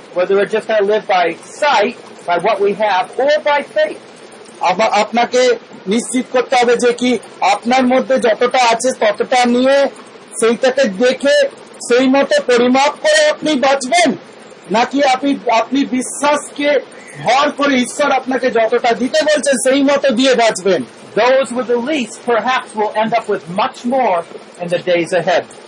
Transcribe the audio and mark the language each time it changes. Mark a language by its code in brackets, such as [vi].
[en] whether we're just going to live by sight, by what we have, or by faith. [bn] আপনাকে নিশ্চিত করতে হবে যে কি আপনার মধ্যে যতটা আছে ততটা নিয়ে সেইটাকে দেখে সেই মতো পরিমাপ করে আপনি বাঁচবেন, নাকি আপনি আপনি বিশ্বাসকে ভর করে ঈশ্বর আপনাকে যতটা দিতে বলছেন সেই মতো দিয়ে বাঁচবেন। [en] Those with the least perhaps will end up with much more in the days ahead.